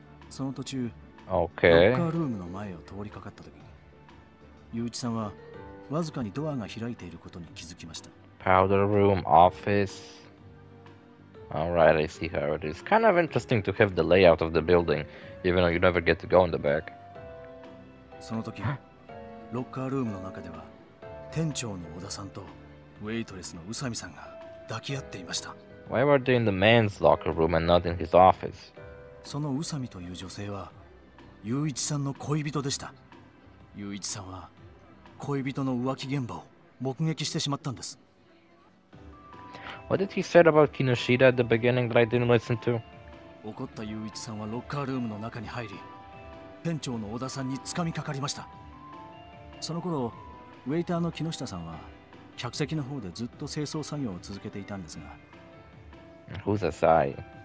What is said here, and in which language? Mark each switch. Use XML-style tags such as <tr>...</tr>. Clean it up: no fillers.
<ja>その途中、ロッカールームの前を通りかかったとき、ユウチさんはわずかにドアが開いていることに気づきました。</ja> <en>Powder room, office. Alright, I see how it is. Kind of interesting to have the layout of the building, even though you never get to go in the back.</en> <ja>その時、ロッカールームの中では、店長の小田さんとウェイトレスの宇佐美さんが抱き合っていました。</ja> <en>Why were they in the man's locker room and not in his office?</en> <ja>その宇佐美という女性は、雄一さんの恋人でした。雄一さんは恋人の浮気現場を目撃してしまったんです。</ja> <en>What did he say about Kinoshita at the beginning that I didn't listen to?</en> <ja>怒った雄一さんはロッカールームの中に入り、店長の小田さんにつかみかかりました。その頃、ウェイターの木下さんは客席の方でずっと清掃作業を続けていたんですが、</ja> <en>Who's aside?</en>